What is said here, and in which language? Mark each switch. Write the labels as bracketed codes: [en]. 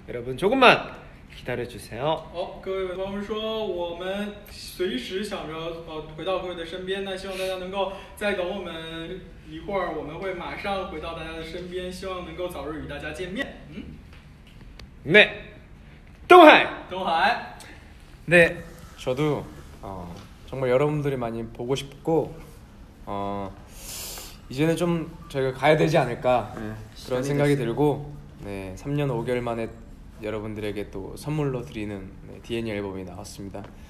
[ko] 여러분 조금만 기다려주세요. [zh] 各位，我们说我们随时想着回到各位的身边。那希望大家能够再等我们一会儿，我们会马上回到大家的身边。希望能够早日与大家见面。 [ko] 네, 동하이. 동하이. 네, 저도 정말 여러분들이 많이 보고 싶고 이제는 좀 저희가 가야 되지 않을까 그런 생각이 들고 네, 3년 5개월 만에 여러분들에게 또 선물로 드리는 네, DNA 앨범이 나왔습니다.